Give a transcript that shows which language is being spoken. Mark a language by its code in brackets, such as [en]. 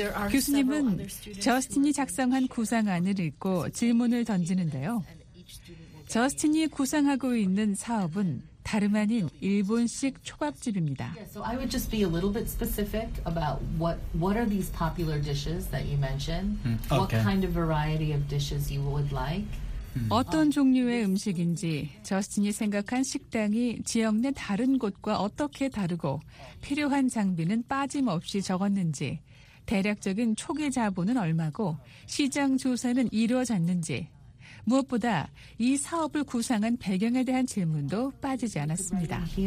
[ko] 교수님은 저스틴이 작성한 구상안을 읽고 질문을 던지는데요. 저스틴이 구상하고 있는 사업은 다름 아닌 일본식 초밥집입니다. [en] So I would just be a little bit specific about what are these popular dishes that you mentioned? What kind of variety of dishes you would like? [ko] 어떤 종류의 음식인지 저스틴이 생각한 식당이 지역 내 다른 곳과 어떻게 다르고 필요한 장비는 빠짐없이 적었는지 대략적인 초기 자본은 얼마고 시장 조사는 이루어졌는지 무엇보다 이 사업을 구상한 배경에 대한 질문도 빠지지 않았습니다.